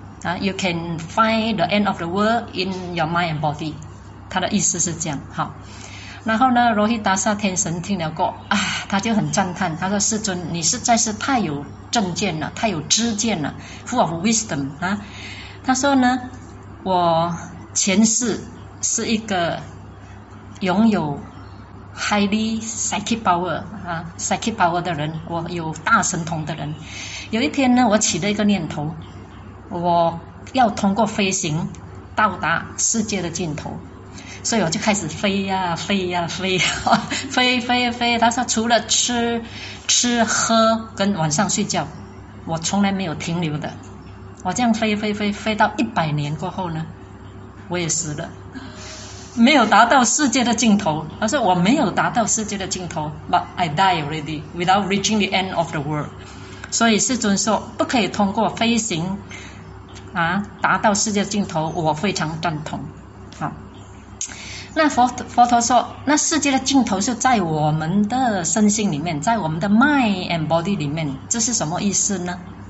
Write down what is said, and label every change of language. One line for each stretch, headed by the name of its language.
English: 啊 ，you can find the end of the world in your mind and body，
Chinese: 他的意思是这样，好。然后呢，罗希达萨天神听了过啊，他就很赞叹，他说：“世尊，你实在是太有正见了，太有知见了 ，
English: full of wisdom
Chinese: 啊。” 他说呢：“我前世是一个拥有
English: highly psychic power
Chinese: 啊 ，
English: psychic power
Chinese: 的人，我有大神通的人。有一天呢，我起了一个念头，我要通过飞行到达世界的尽头。” 所以我就开始飞呀、啊、飞呀、啊、飞呀、啊、飞飞飞。他说除了吃喝跟晚上睡觉，我从来没有停留的。我这样飞飞飞飞到100年过后呢，我也死了，没有达到世界的尽头。他说我没有达到世界的尽头
English: ，but I die already without reaching the end of the world。
Chinese: 所以世尊说不可以通过飞行啊达到世界的尽头，我非常赞同。那佛陀说，那世界的尽头是在我们的身心里面，在我们的
English: mind and body
Chinese: 里面，这是什么意思呢？